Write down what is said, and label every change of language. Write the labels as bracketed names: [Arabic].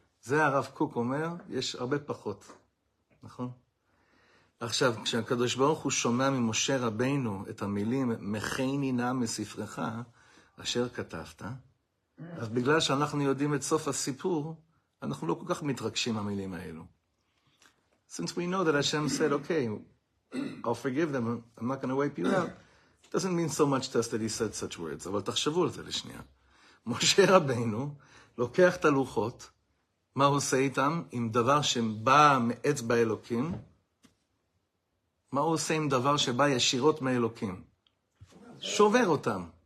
[Hebrew] זה הרב קוק אומר, יש הרבה פחות. נכון? עכשיו, כשהקדוש ברוך הוא שומע ממשה רבינו את המילים, מחי נינה מספרך, אשר כתבת, אז בגלל שאנחנו יודעים את סוף הסיפור, אנחנו לא כל כך מתרגשים המילים האלו. [English] Since we know that Hashem said, okay, I'll forgive them, I'm not going to wipe you out. It doesn't mean so much to us that he said such words. [Hebrew] אבל תחשבו על זה לשנייה. משה רבינו לוקח את הלוחות, מה הוא עושה איתם? עם דבר שבא מעצבא אלוקים, מה הוא עושה עם דבר שבא ישירות מאלוקים? שובר אותם.